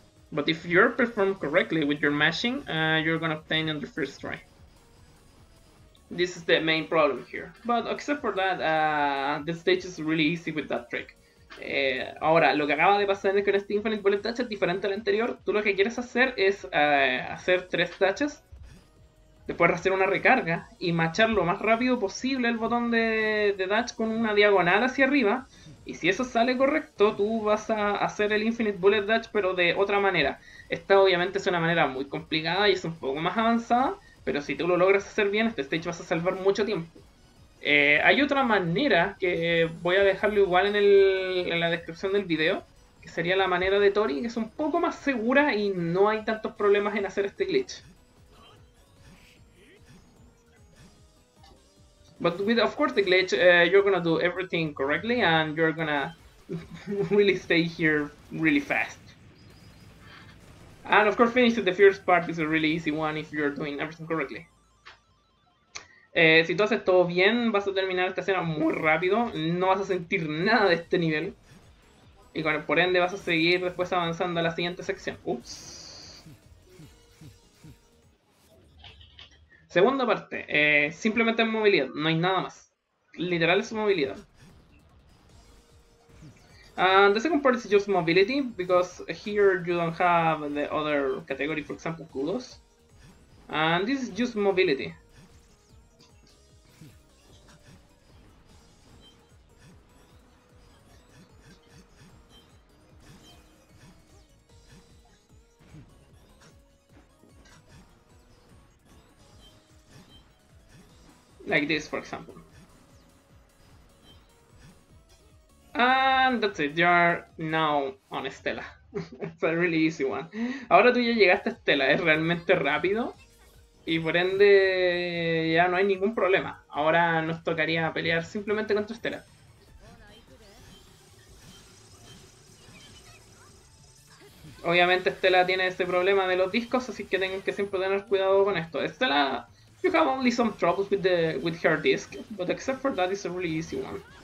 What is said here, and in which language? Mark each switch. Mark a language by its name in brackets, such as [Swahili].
[English] But if you're performed correctly with your mashing, you're gonna obtain on the first try. This is the main problem here. But except for that, the stage is really easy with that trick. [Spanish] Ahora, lo que acaba de pasar es que en este Infinite Bullet Dash es diferente al anterior. Tú lo que quieres hacer es hacer tres dashes, después hacer una recarga y machar lo más rápido posible el botón de dash con una diagonal hacia arriba. Y si eso sale correcto, tú vas a hacer el Infinite Bullet Dash, pero de otra manera. Esta obviamente es una manera muy complicada y es un poco más avanzada. Pero si tú lo logras hacer bien, este stage vas a salvar mucho tiempo. Hay otra manera que voy a dejarlo igual en la descripción del video, que sería la manera de Tori, que es un poco más segura y no hay tantos problemas en hacer este glitch. [English] But with, of course, the glitch, you're gonna do everything correctly and you're gonna really stay here really fast. And of course, finishing the first part is a really easy one if you're doing everything correctly. [Spanish] Si tú haces todo bien, vas a terminar esta escena muy rápido, no vas a sentir nada de este nivel. Y bueno, por ende vas a seguir después avanzando a la siguiente sección. Ups. Segunda parte, simplemente movilidad, no hay nada más. Literal es movilidad. [English] The second part is just mobility, because here you don't have the other category, for example, kudos. And this is just mobility. Like this, for example. And that's it, you are now on Estela. It's a really easy one. [Spanish] Ahora tú ya llegaste a Estela, es realmente rápido. Y por ende, ya no hay ningún problema. Ahora nos tocaría pelear simplemente contra Estela. Obviamente, Estela tiene este problema de los discos, así que tengo que siempre tener cuidado con esto. Estela. [English] You have only some troubles with the with her disc, but except for that, it's a really easy one.